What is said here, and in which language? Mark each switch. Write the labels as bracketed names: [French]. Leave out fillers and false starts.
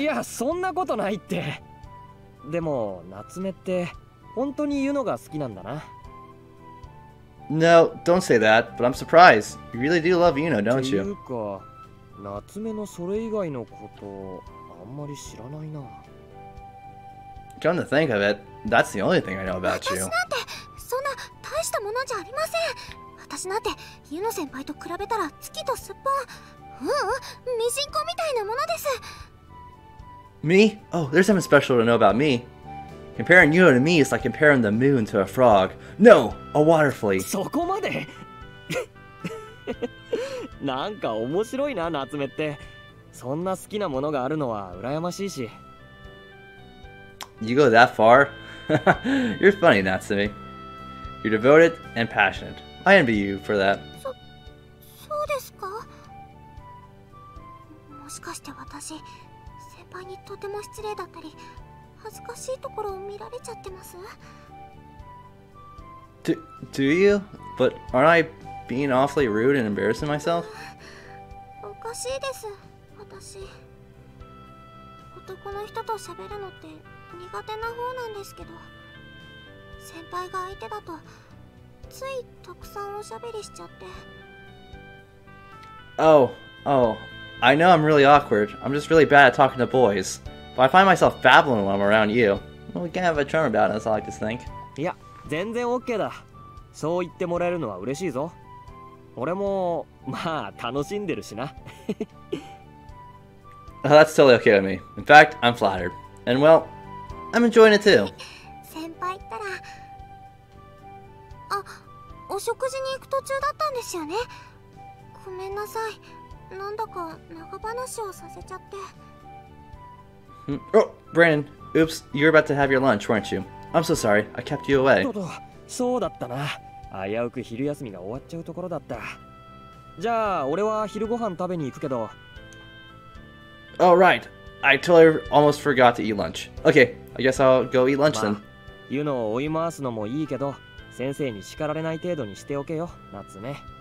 [Japanese] いや、そんなことないって。でも、夏目って、本当にユノが好きなんだな。 [English] No, don't say that, but I'm surprised. You really do love Yuno, don't you? [Japanese] ていうか、夏目のそれ以外のこと、あんまり知らないな。 [English] Come to think of it, that's the only thing I know about you. [Japanese] 私なんて、そんな大したものじゃありません。私なんて、ユノ先輩と比べたら月とすっぽん。ミジンコみたいなものです。 [English] Me? Oh, there's something special to know about me. Comparing Yuno to me is like comparing the moon to a frog. No, a water flea. [Japanese] そこまで。なんか面白いな、夏目って。そんな好きなものがあるのは羨ましいし。 [English] You go that far? You're funny, Natsumi. You're devoted and passionate. I envy you for that. [Japanese] そうですか? しかして私、先輩にとても失礼だったり、恥ずかしいところを見られちゃってます？ [English] Do you? But aren't I being awfully rude and embarrassing myself? [Japanese] おかしいです、私。男の人と喋るのって苦手な方なんですけど、先輩が相手だとついたくさんおしゃべりしちゃって。 [English] Oh, I know I'm really awkward. I'm just really bad at talking to boys. But I find myself babbling when I'm around you. Well, we can have a charm about us, I like to think. [Japanese] Yeah, 全然 OK だ。そう言ってもらえるのは嬉しいぞ。俺も、まあ、楽しんでるしな。 [English] Oh, that's totally okay with me. In fact, I'm flattered. And well, I'm enjoying it too. [Japanese] 先輩ったら…あ、お食事に行く途中だったんですよね。ごめんなさい。なんだか長話をさせちゃって。 [English] Oh, Brandon. Oops, you were about to have your lunch, weren't you? I'm so sorry. I kept you away. [Japanese] そうだったな。危うく昼休みが終わっちゃうところだった。じゃあ、俺は昼ご飯食べに行くけど。 [English] Oh, right. I totally almost forgot to eat lunch. Okay, I guess I'll go eat lunch then. [Japanese] ユノを追い回すのもいいけど、先生に叱られない程度にしておけよ、夏目。